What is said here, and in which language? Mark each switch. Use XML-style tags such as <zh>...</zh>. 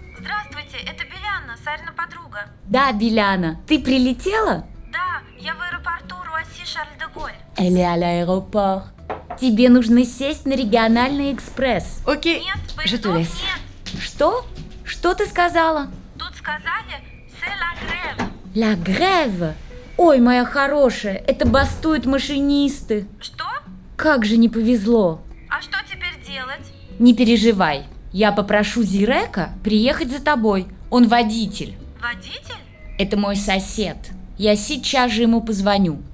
<ru>Здравствуйте, это Беляна, Сарина подруга. Да, Беляна, ты прилетела ? Я в аэропорту Руасси-Шарль-де-Голь.</ru> <fr>Elle est à l'aéroport.</fr> <ru>Тебе нужно сесть на региональный экспресс. Окей,</ru> <fr>je te laisse.</fr> <ru>Что? Что ты сказала? Тут сказали,</ru> <fr>c'est la grève. La grève?</fr> <ru>Ой, моя хорошая, это бастуют машинисты. Что? Как же не повезло. А что теперь делать? Не переживай, я попрошу Зирека приехать за тобой. Он водитель. Водитель? Это мой сосед. Я сейчас же ему позвоню.</ru>